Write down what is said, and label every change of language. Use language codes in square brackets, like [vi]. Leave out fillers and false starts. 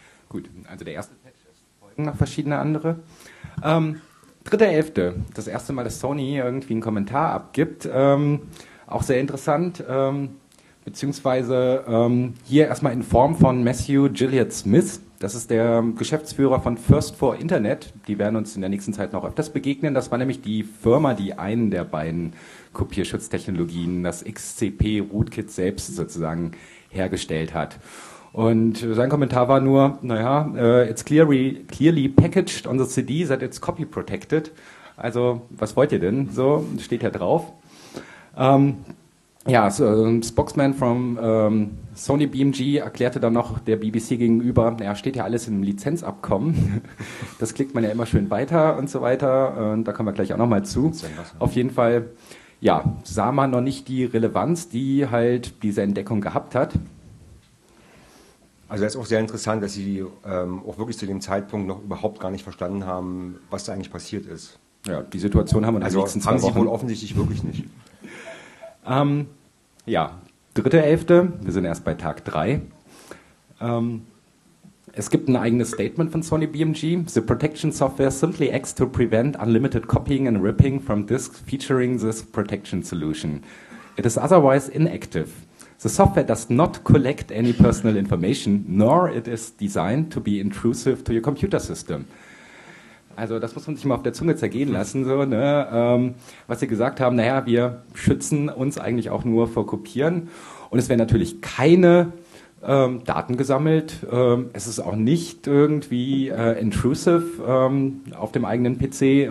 [de] Gut, also der erste Patch ist folgen noch verschiedene andere. 3.11., das erste Mal, dass Sony irgendwie einen Kommentar abgibt, auch sehr interessant, beziehungsweise hier erstmal in Form von Matthew Gilliard Smith. Das ist der Geschäftsführer von First for Internet. Die werden uns in der nächsten Zeit noch öfters begegnen. Das war nämlich die Firma, die einen der beiden Kopierschutztechnologien, das XCP-Rootkit selbst sozusagen, hergestellt hat. Und sein Kommentar war nur, [en] it's clearly packaged on the CD, that it's copy-protected. [de] Also, was wollt ihr denn? So steht ja drauf. [en] Spokesman from [de] Sony BMG erklärte dann noch der BBC gegenüber, steht ja alles im Lizenzabkommen. Das klickt man ja immer schön weiter und so weiter. Und da kommen wir gleich auch nochmal zu. Auf jeden Fall, sah man noch nicht die Relevanz, die halt diese Entdeckung gehabt hat. Also das ist auch sehr interessant, dass sie auch wirklich zu dem Zeitpunkt noch überhaupt gar nicht verstanden haben, was da eigentlich passiert ist. Ja, die Situation haben wir in den nächsten zwei Wochen. Also haben sie wohl offensichtlich wirklich nicht. 3.11., wir sind erst bei Tag 3. Es gibt ein eigenes Statement von Sony BMG. [en] The protection software simply acts to prevent unlimited copying and ripping from disks featuring this protection solution. It is otherwise inactive. The software does not collect any personal information, nor it is designed to be intrusive to your computer system. [de] Also das muss man sich mal auf der Zunge zergehen lassen, so, ne? Was sie gesagt haben, wir schützen uns eigentlich auch nur vor Kopieren. Und es werden natürlich keine Daten gesammelt. Es ist auch nicht irgendwie intrusive auf dem eigenen PC.